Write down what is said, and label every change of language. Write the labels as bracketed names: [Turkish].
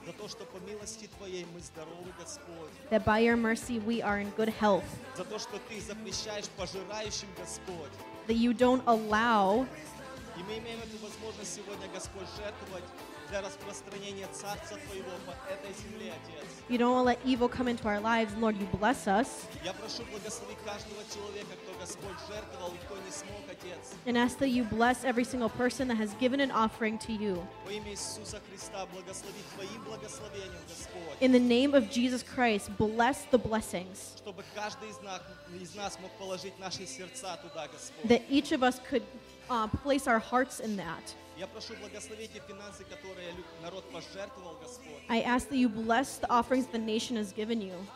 [Russian] За то, что по милости Твоей мы здоровы, Господь. [English] That by Your mercy we are in good health. [Russian] За то, что Ты запрещаешь пожирающим, Господь. [English] That You don't allow. [Russian] И мы имеем эту возможность сегодня, Господь, жертвовать для распространения Царства Твоего по этой земле, Отец. [English] You don't want to let evil come into our lives, Lord, You bless us. [Russian] Я прошу благословить каждого человека, кто Господь жертвовал, кто не смог, Отец. [English] And ask that You bless every single person that has given an offering to You. [Russian] Во имя Иисуса Христа благослови Твоим благословением, Господь. [English] In the name of Jesus Christ, bless the blessings. [Russian] Чтобы каждый из нас мог положить наши сердца туда, Господь. [English] That each of us could place our hearts in that. [Russian] Я прошу благословить эти финансы, которые народ пожертвовал, Господь. [English] I ask that You bless the offerings the nation has given You.